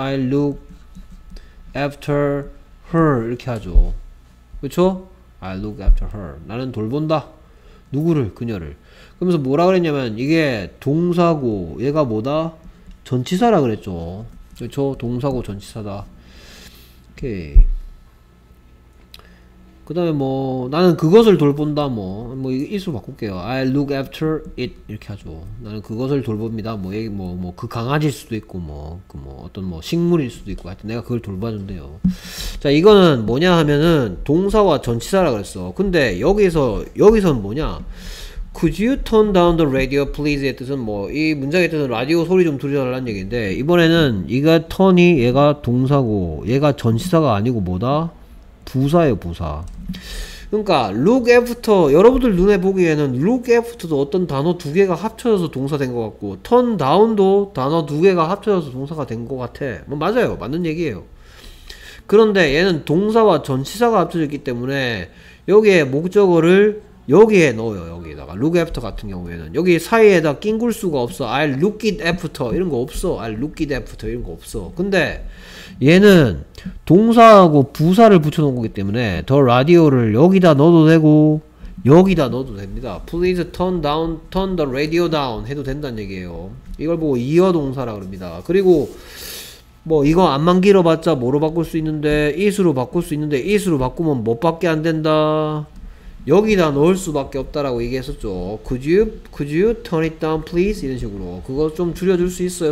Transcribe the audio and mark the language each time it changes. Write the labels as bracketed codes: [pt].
[en] I look after her [ko] 이렇게 하죠. 그렇죠? [en] I look after her. [ko] 나는 돌본다. 누구를? 그녀를. 그러면서 뭐라 그랬냐면 이게 동사고 얘가 뭐다? 전치사라 그랬죠. 그렇죠? 동사고 전치사다. 오케이. 그 다음에 뭐 나는 그것을 돌본다. 뭐 이수 바꿀게요. [en] I look after it [ko] 이렇게 하죠. 나는 그것을 돌봅니다. 뭐 그 강아지일 수도 있고 뭐 어떤 뭐 식물일 수도 있고 하여튼 내가 그걸 돌봐준대요. 자, 이거는 뭐냐 하면은 동사와 전치사라 그랬어. 근데 여기선 뭐냐, [en] Could you turn down the radio please [ko] 의 뜻은 뭐 이 문장의 뜻은 라디오 소리 좀 줄여달라는 얘기인데 이번에는 이가 turn이 얘가 동사고 얘가 전치사가 아니고 뭐다? 부사예요, 부사. 그러니까 look after, 여러분들 눈에 보기에는 look after도 어떤 단어 두 개가 합쳐져서 동사 된 것 같고 turn down도 단어 두 개가 합쳐져서 동사가 된 것 같아. 뭐 맞아요, 맞는 얘기예요. 그런데 얘는 동사와 전치사가 합쳐져 있기 때문에 여기에 목적어를 여기에 넣어요. 여기에다가 look after 같은 경우에는 여기 사이에다 낑굴 수가 없어. [en] I look it after [ko] 이런 거 없어. [en] I look it after 이런 거 없어. [ko] 근데 얘는 동사하고 부사를 붙여놓은 거기 때문에 더 라디오를 여기다 넣어도 되고 여기다 넣어도 됩니다. [en] Please turn down, turn the radio down [ko] 해도 된다는 얘기예요. 이걸 보고 이어 동사라고 합니다. 그리고 뭐 이거 안만 길어봤자 뭐로 바꿀 수 있는데 is로 바꿀 수 있는데 is로 바꾸면 뭐밖에 안 된다. 여기다 넣을 수밖에 없다라고 얘기했었죠. [en] Could you turn it down please [ko] 이런 식으로 그거 좀 줄여줄 수 있어요?